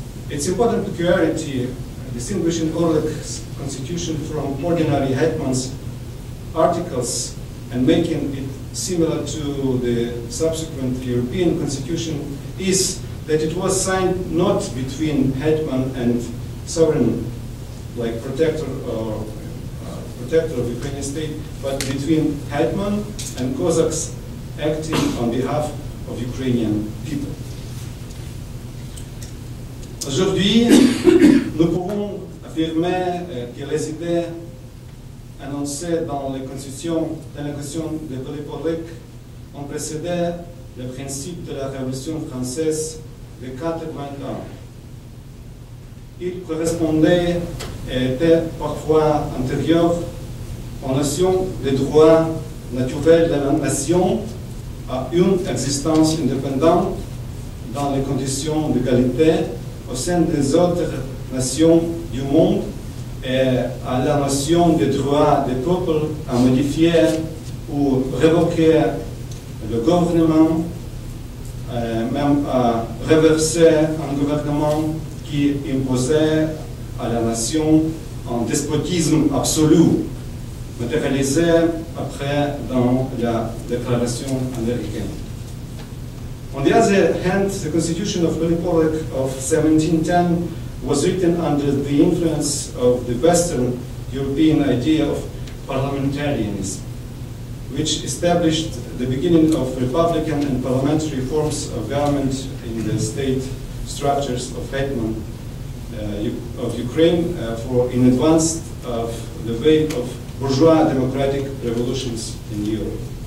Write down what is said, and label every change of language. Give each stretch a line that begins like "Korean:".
English: It's important peculiarity distinguishing Orlyk's constitution from ordinary hetman's articles and making it similar to the subsequent European constitution is that it was signed not between hetman and sovereign, like protector or protector of Ukrainian state, but between hetman and Cossacks acting on behalf of Ukrainian people.
French: Aujourd'hui, nous pouvons affirmer que les idées annoncées dans la Constitution de Pylyp Orlyk ont précédé le principe de la Révolution française de 80 ans. Ils correspondaient et étaient parfois antérieurs aux notions des droits naturels de la nation à une existence indépendante dans les conditions d'égalité au sein des autres nations du monde et à la notion des droits des peuples à modifier ou révoquer le gouvernement, même à reverser un gouvernement qui imposait à la nation un despotisme absolu, matérialisé après dans la déclaration américaine.
English: On the other hand, the Constitution of Pylyp Orlyk of 1710 was written under the influence of the Western European idea of parliamentarianism, which established the beginning of republican and parliamentary forms of government in the state structures of hetman of Ukraine for in advance of the wave of bourgeois democratic revolutions in Europe.